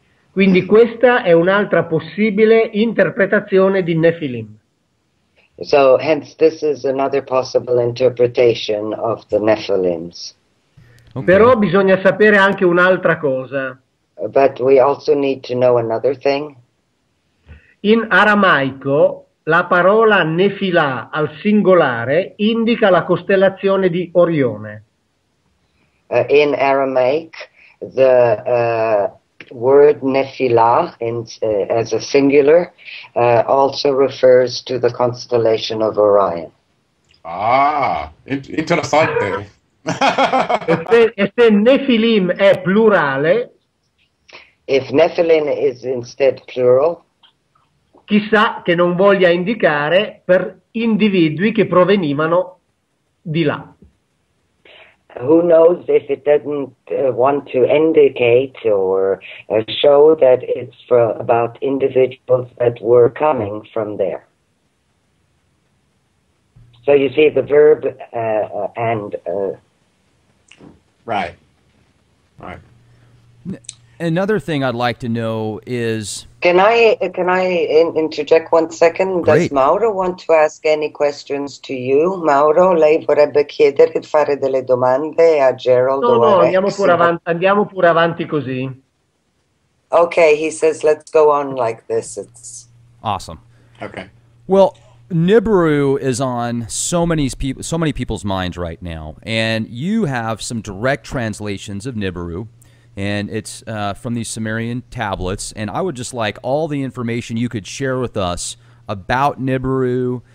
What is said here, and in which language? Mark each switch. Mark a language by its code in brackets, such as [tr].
[it] Quindi questa è un'altra possibile interpretazione di Nephilim. [en] So, hence, this is another possible interpretation of the Nephilims. [it] Okay. Però bisogna sapere anche un'altra cosa. [en] But we also need to know another thing. [it] In aramaico, la parola Nefilà al singolare indica la costellazione di Orione. [en] In Aramaic, the word Nefilà as a singular also refers to the constellation of Orion. [it] Ah, interessante. E se Nefilim è plurale, [en] if Nephilim is instead plural, [it] chissà che non voglia indicare per individui che provenivano di là. [en] Who knows if it doesn't want to indicate or show that it's for about individuals that were coming from there. So you see the verb and... Right. Another thing I'd like to know is... Can I interject one second? Great. Does Mauro want to ask any questions to you? [it] Mauro, lei vorrebbe chiedere, fare delle domande a Gerald? No, andiamo pure avanti così. [en] Okay, he says, let's go on like this. It's awesome. Okay. Well, Nibiru is on so many people's minds right now, and you have some direct translations of Nibiru. And it's from these Sumerian tablets. And I would just like all the information you could share with us about Nibiru.